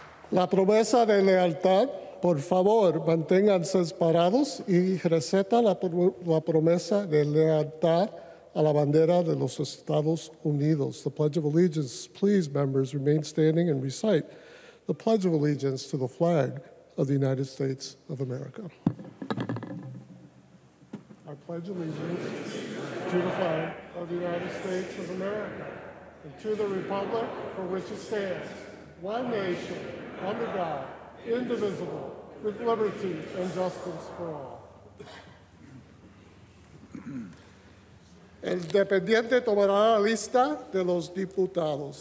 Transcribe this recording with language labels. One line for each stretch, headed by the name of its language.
Spanish: La promesa de lealtad, por favor, manténganse parados y receta la promesa de lealtad a la bandera de los Estados Unidos.
English: The Pledge of Allegiance, please, members, remain standing and recite the Pledge of Allegiance to the flag of the United States of America. I pledge allegiance to the flag of the United States of America and to the republic for which it stands, one nation, under God, indivisible, with liberty and justice for all.
Spanish: El dependiente tomará la lista de los diputados.